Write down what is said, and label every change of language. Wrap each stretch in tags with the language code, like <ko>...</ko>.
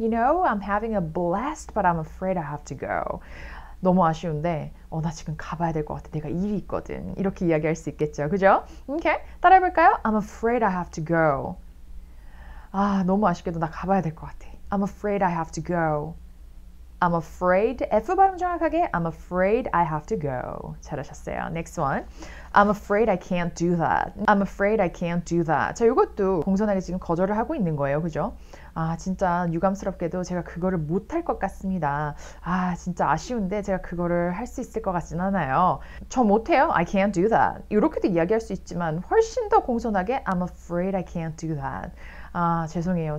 <en>You know, I'm having a blast, but I'm afraid I have to go.</en> <ko>너무 아쉬운데 나 지금 가봐야 될 것 같아. 내가 일이 있거든. 이렇게 이야기할 수 있겠죠. 그죠?</ko> <en>Okay,</en> <ko>따라해볼까요?</ko> <en>I'm afraid I have to go.</en> <ko>아, 너무 아쉽게도 나 가봐야 될 것 같아.</ko> <en>I'm afraid I have to go. I'm afraid,</en> <ko>F 발음 정확하게,</ko> <en>I'm afraid I have to go.</en> <ko>잘하셨어요.</ko> <en>Next one. I'm afraid I can't do that. I'm afraid I can't do that.</en> <ko>자, 이것도 공손하게 지금 거절을 하고 있는 거예요. 그죠? 아, 진짜 유감스럽게도 제가 그거를 못할 것 같습니다. 아, 진짜 아쉬운데 제가 그거를 할 수 있을 것 같진 않아요. 저 못해요.</ko> <en>I can't do that.</en> <ko>이렇게도 이야기할 수 있지만 훨씬 더 공손하게</ko> <en>I'm afraid I can't do that.</en> <ko>아, 죄송해요.</ko>